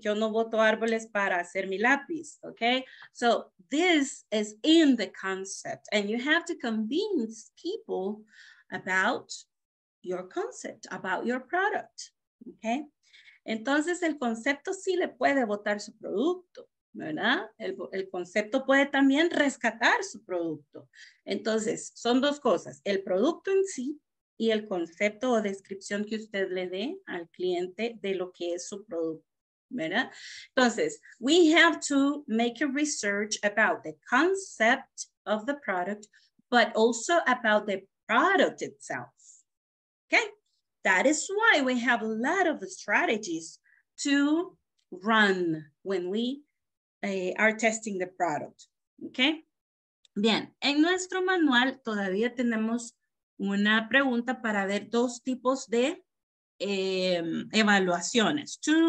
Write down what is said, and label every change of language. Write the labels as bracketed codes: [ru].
[es] Yo no boto árboles para hacer mi lápiz, okay? [en] So this is in the concept and you have to convince people about your concept, about your product, okay? [es] Entonces el concepto sí le puede botar su producto, ¿verdad? El concepto puede también rescatar su producto. Entonces son dos cosas, el producto en sí y el concepto o descripción que usted le dé al cliente de lo que es su producto, ¿verdad? [en] Entonces, we have to make a research about the concept of the product, but also about the product itself, okay? That is why we have a lot of strategies to run when we are testing the product, okay? [es] Bien, en nuestro manual todavía tenemos una pregunta para ver dos tipos de evaluaciones.